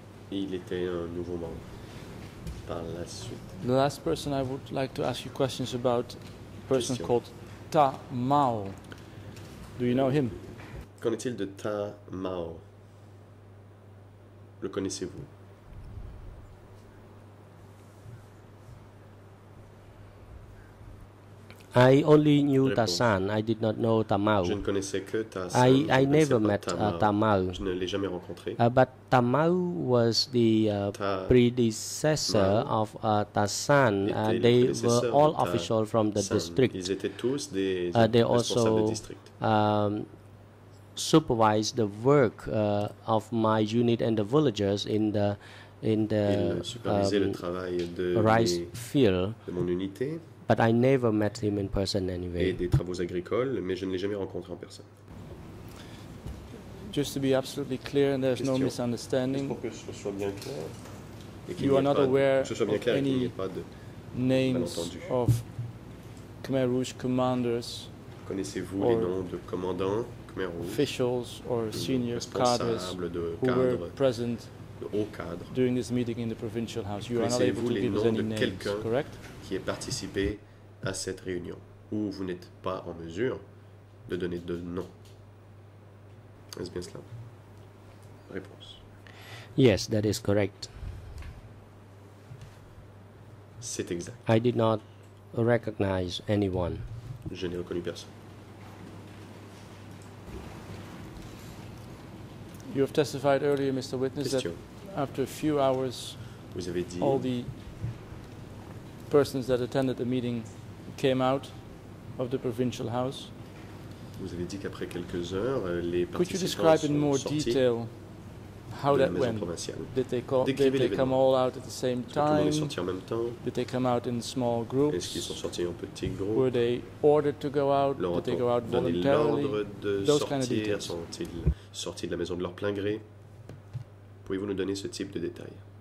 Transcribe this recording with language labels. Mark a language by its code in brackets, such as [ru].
[fr] Il était un nouveau membre par la suite. [en] The last person I would like to ask you questions about, person question. Called Ta Mao. Do you know him? [fr] Qu'en est-il de Ta Mao? Le connaissez-vous? [en] I only knew Tassan. I did not know Ta Mao. [fr] Je ne connaissais que Ta Mao. [en] I never met Ta Mao. [fr] Je ne l'ai jamais rencontré. [en] But Ta Mao was the predecessor of Tassan. They were all official from the district. [fr] Ils étaient tous des responsables [en] also, [fr] de district. [en] Supervise the work of my unit and the villagers in the rice field, [fr] de mon unité, [en] but I never met him in person anyway. [fr] Et des travaux agricoles, mais je ne l'ai jamais rencontré en personne. [en] Just to be absolutely clear, and there's question. No misunderstanding. [fr] Pour que ce soit bien clair, et qu'il [en] you are not aware of any names of Khmer Rouge commanders. [fr] Connaissez-vous les noms de commandants? [en] Officials or senior cadres who were present during this meeting in the provincial house. You are not able to give us any names, correct? [fr] Qui a participé à cette réunion, ou vous n'êtes pas en mesure de donner de nom. Est-ce bien cela? Réponse. [en] Yes, that is correct. [fr] C'est exact. [en] I did not recognize anyone. [fr] Je n'ai reconnu personne. [en] You have testified earlier, Mr. Witness, question. That after a few hours, [fr] vous avez dit [en] all the persons that attended the meeting came out of the provincial house. [fr] Vous avez dit qu'après quelques heures, les participants sont sortis. [en] Could you describe in more detail how that went? Did they come all out at the same time? [fr] Tout le monde est sorti en même temps? [en] Did they come out in small groups? [fr] Est-ce qu'ils sont sortis en petits groupes? [en] Were they ordered to go out? Did they go out voluntarily? Those kind of details. [fr] Sont-ils sortis de la maison de leur plein gré? Pouvez-vous nous donner ce type de détails?